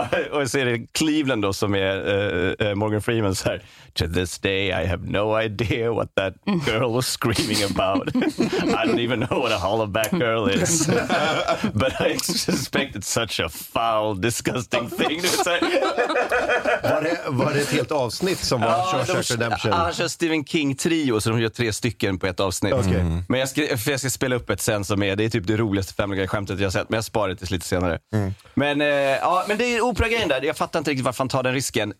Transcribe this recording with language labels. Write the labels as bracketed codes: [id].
[sv] Och så är det Cleveland då som är Morgan Freeman så här. [en] To this day I have no idea what that girl was screaming about. I don't even know what a Holla Back Girl is. But I suspect it's such a foul, disgusting thing. [sv] Var det ett helt avsnitt som var Shawshank Redemption? Ja, han kör Stephen King-trio så de gör tre stycken på ett avsnitt. [en] Okay. [sv] Men jag ska spela upp ett sen som är, det är typ det roligaste Family Guy-skämtet jag har sett, men jag sparar det tills lite senare. Mm. Men det är opera-grejen där. Jag fattar inte riktigt varför han tar den risken.